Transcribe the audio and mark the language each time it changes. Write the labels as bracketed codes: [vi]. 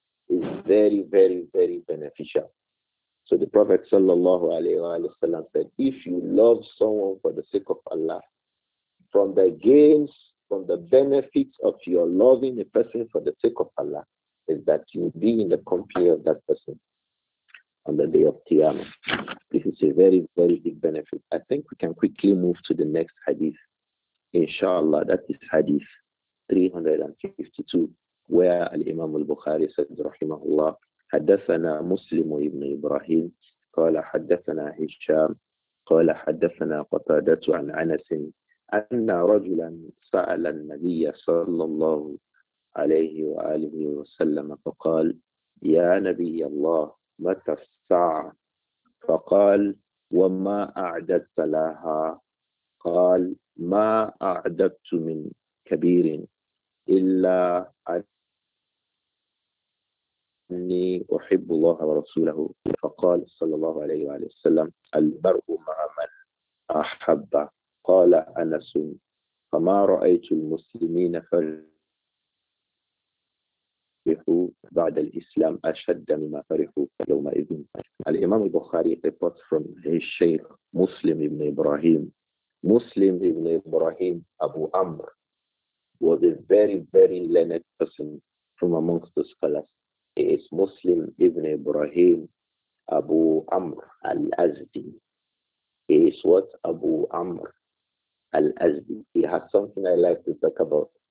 [en] Is very, very, very beneficial. So the Prophet sallallahu alaihi wasallam said, if you love someone for the sake of Allah, from the gains, from the benefits of your loving a person for the sake of Allah, is that you be in the company of that person on the day of Qiyamah. This is a very, very big benefit. I think we can quickly move to the next hadith. Inshallah, that is hadith 352. Where al-Imam al-Bukhari said, [ar] rahimahullah, حدثنا مسلم ابن إبراهيم قال حدثنا هشام قال حدثنا قتادة عن أنس أن رجلا سأل النبي صلى الله عليه وآله وسلم فقال يا نبي الله متى الساعة فقال وما أعددت لها قال ما أعددت من كبير إلا إني أحب الله ورسوله فقال صلى الله عليه وسلم البرء مع من أحب قال أنس فما رأيت المسلمين فرحوا بعد الإسلام أشد مما فرحوا يومئذ. [en] الإمام البخاري reports from his شيخ مسلم بن إبراهيم. مسلم بن إبراهيم أبو عمر was a very very learned person from amongst the scholars. It is Muslim Ibn Ibrahim Abu Amr Al-Azdi. He is what? Abu Amr Al-Azdi. He has something I like to talk about.